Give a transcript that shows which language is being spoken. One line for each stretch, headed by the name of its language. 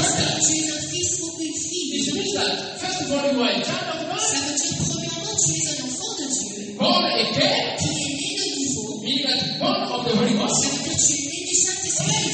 French: Lorsque tu es un fils ou une fille.
English: It means that, first of all, you are a child of God.
French: Ça veut dire premièrement tu es un enfant de Dieu.
English: Born again.
French: Tu es né de nouveau.
English: Meaning that born of the Holy Ghost.
French: Ça veut dire tu es né du Saint-Esprit.